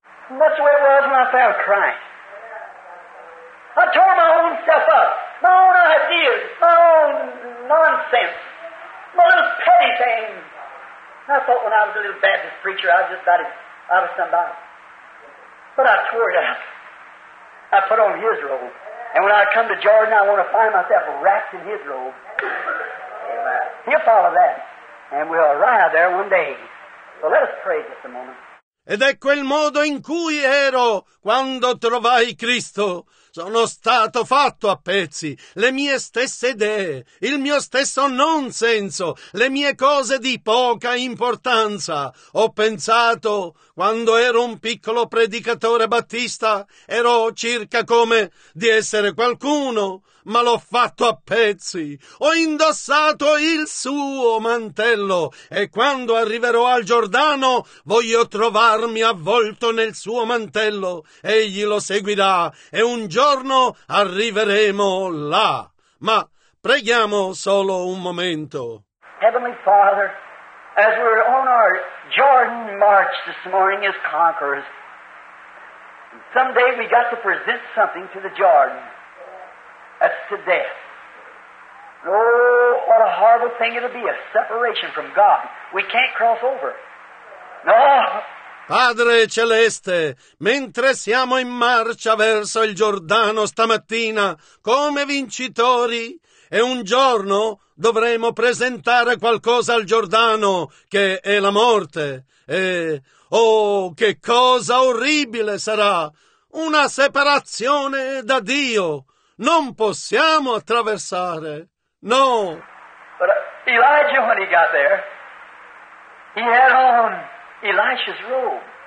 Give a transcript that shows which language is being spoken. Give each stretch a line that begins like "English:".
English: That's the way it was when I fell crying. I tore my own self up, my own ideas, my own nonsense, my little petty thing. I thought when I was a little Baptist preacher, I was just about out of somebody. But I tore it up. I put on his robe. And when I come to Jordan, I want to find myself wrapped in his robe. Amen. He'll follow that. And we'll arrive there one day. So let us pray just a moment.
Italian: Ed ecco il modo in cui ero quando trovai Cristo. Sono stato fatto a pezzi, le mie stesse idee, il mio stesso non senso, le mie cose di poca importanza. Ho pensato, quando ero un piccolo predicatore battista, ero circa come di essere qualcuno, ma l'ho fatto a pezzi. Ho indossato il suo mantello e quando arriverò al Giordano voglio trovarmi avvolto nel suo mantello. Egli lo seguirà e un giorno arriveremo là. Ma preghiamo solo un momento.
English: Heavenly Father, as we're on our Jordan march this morning as conquerors, someday we got to present something to the Jordan. That's to death. Oh, what a horrible thing it'll be, a separation from God. We can't cross over. No!
Italian: Padre Celeste, mentre siamo in marcia verso il Giordano stamattina, come vincitori, e un giorno dovremo presentare qualcosa al Giordano, che è la morte. E, oh, che cosa orribile sarà! Una separazione da Dio! Non possiamo attraversare! No!
English: But Elijah, when he got there, he had on Elijah's robe.